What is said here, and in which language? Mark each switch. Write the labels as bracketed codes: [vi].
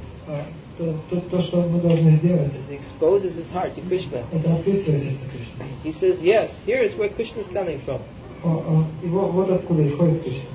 [ru] то, что мы должны сделать, [en] he exposes his heart to Krishna. [ru] Это открыть свое сердце Кришне. [en] He says, yes, here is where Krishna is coming from. [ru] Вот откуда исходит Кришна.